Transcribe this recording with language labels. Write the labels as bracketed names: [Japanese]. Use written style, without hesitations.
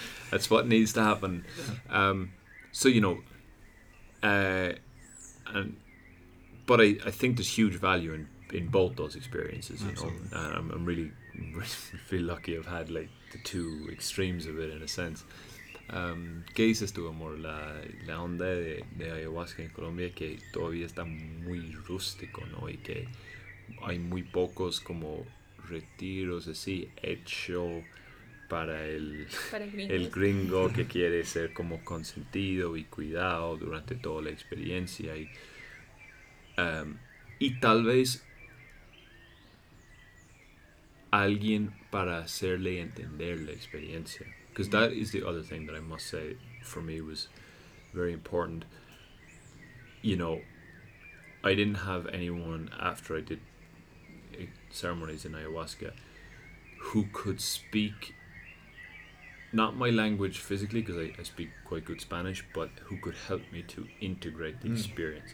[English] That's what needs to happen. So, you know, but I think there's huge value in both those experiences, you Absolutely. Know. And I'm really, really feel lucky I've had like the two extremes of it in a sense. [Spanish] ¿Qué dices tú, amor? La onda de ayahuasca en Colombia, que todavía está muy rústico, ¿no? Y que hay muy pocos como retiros así hecho para el gringo que quiere ser como consentido y cuidado durante toda la experiencia. Y, y tal vez alguien para hacerle entender la experiencia. [English] Because that is the other thing that I must say for me was very important. You know, I didn't have anyone after I did ceremonies in ayahuasca who could speak not my language physically, because I speak quite good Spanish, but who could help me to integrate the experience.